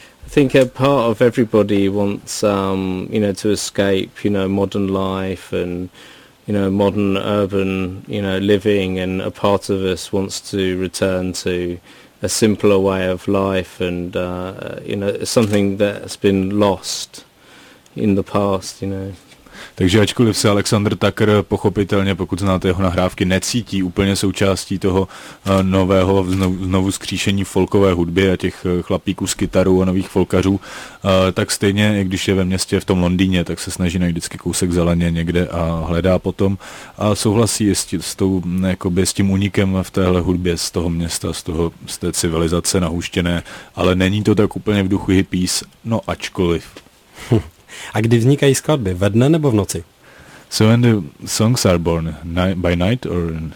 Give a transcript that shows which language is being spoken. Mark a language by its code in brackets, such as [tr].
[en] I think a part of everybody wants, you know, to escape, you know, modern life and, you know, modern urban, you know, living, and a part of us wants to return to a simpler way of life and, you know, something that's been lost in the past, you know. [cs] Takže ačkoliv se Alexander Tucker pochopitelně, pokud znáte jeho nahrávky, necítí úplně součástí toho nového znovu skříšení folkové hudby a těch chlapíků s kytarou a nových folkařů, tak stejně, i když je ve městě v tom Londýně, tak se snaží najít vždycky kousek zeleně někde a hledá potom a souhlasí s tím unikem v téhle hudbě z toho města, z té civilizace nahuštěné, ale není to tak úplně v duchu hippies, no ačkoliv. A kdy vznikají skladby? Ve dne nebo v noci? [en] So when the songs are born, by night or?